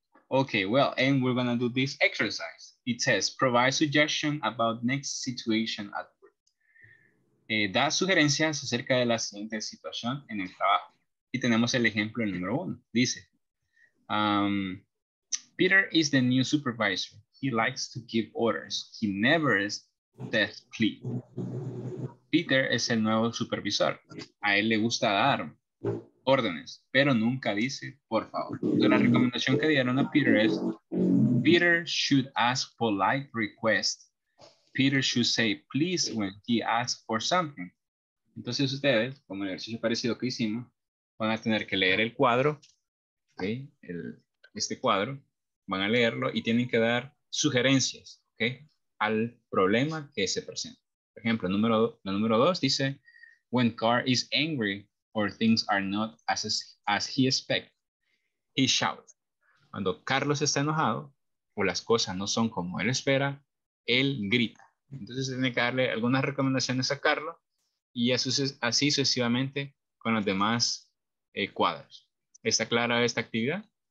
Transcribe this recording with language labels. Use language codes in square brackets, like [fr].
[en] Okay, well, and we're gonna do this exercise. It says, provide suggestion about next situation at work. [es] Da sugerencias acerca de la siguiente situación en el trabajo. Y tenemos el ejemplo número uno. Dice, [en] Peter is the new supervisor. He likes to give orders. He never is death plea. [es] Peter es el nuevo supervisor. A él le gusta dar órdenes, pero nunca dice por favor. Entonces, la recomendación que dieron a Peter es: [en] Peter should ask polite request. Peter should say please when he asks for something. [es] Entonces ustedes, como el ejercicio parecido que hicimos, van a tener que leer el cuadro, ¿okay? Este cuadro, van a leerlo y tienen que dar sugerencias, ¿ok? Al problema que se presenta. Por ejemplo, la número dos dice, [en] when Carr is angry or things are not as he expects, he shouts. [es] Cuando Carlos está enojado o las cosas no son como él espera, él grita. Entonces tiene que darle algunas recomendaciones a Carlos y así sucesivamente con los demás cuadros. ¿Está clara esta actividad?